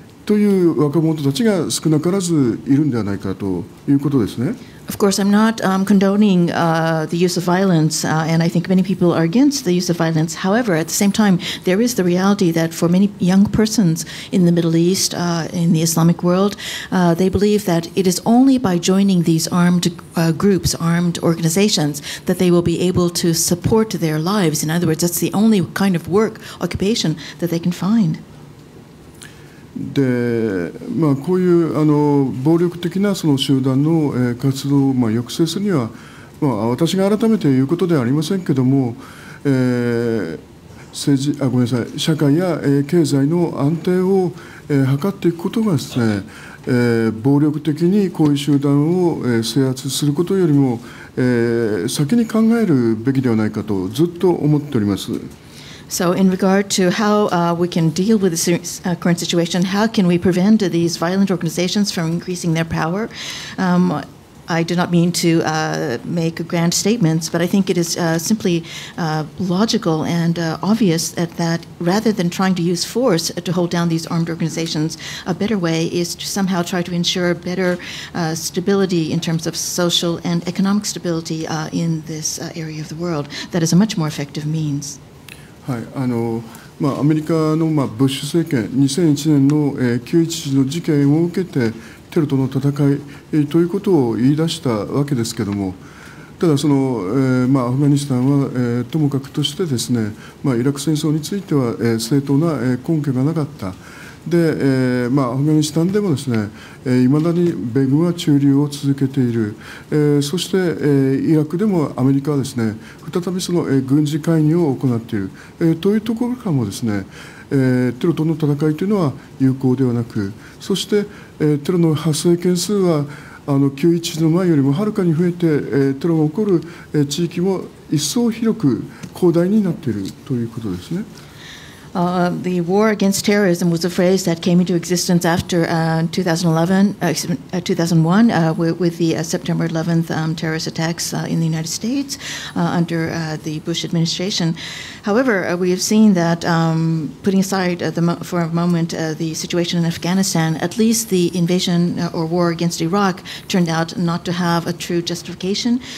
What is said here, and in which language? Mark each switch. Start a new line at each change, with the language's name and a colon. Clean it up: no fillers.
Japanese: という若者たちが少なからずいるんではないかということですね。
English: Of course, I'm not condoning the use of violence, and I think many people are against the use of violence. However, at the same time, there is the reality that for many young persons in the Middle East, in the Islamic world, they believe that it is only by joining these armed groups, armed organizations, that they will be able to support their lives. In other words, that's the only kind of work, occupation that they can find.
Japanese: でまあ、こういうあの暴力的なその集団の活動をまあ抑制するには、まあ、私が改めて言うことではありませんけども、政治あごめんなさい社会や経済の安定を図っていくことがですね、暴力的にこういう集団を制圧することよりも、先に考えるべきではないかとずっと思っております。
English: So in regard to how we can deal with the current situation, how can we prevent these violent organizations from increasing their power? I do not mean to make grand statements, but I think it is simply logical and obvious that rather than trying to use force to hold down these armed organizations, a better way is to somehow try to ensure better stability in terms of social and economic stability in this area of the world. That is a much more effective means.
Japanese: はいまあ、アメリカの、まあ、ブッシュ政権2001年の、911の事件を受けてテロとの戦い、ということを言い出したわけですけれども、ただその、まあ、アフガニスタンは、ともかくとしてですね、まあ、イラク戦争については、正当な、根拠がなかった。で、まあ、アフガニスタンでもですね、いまだに米軍は駐留を続けている、そして、イラクでもアメリカはですね、再びその、軍事介入を行っている、というところからもですね、テロとの戦いというのは有効ではなく、そして、テロの発生件数は911の前よりもはるかに増えて、テロが起こる地域も一層広く広大になっているということですね。
English: The war against terrorism was a phrase that came into existence after 2001 with the September 11th terrorist attacks in the United States under the Bush administration. However, we have seen that putting aside for a moment the situation in Afghanistan, at least the invasion or war against Iraq turned out not to have a true justification.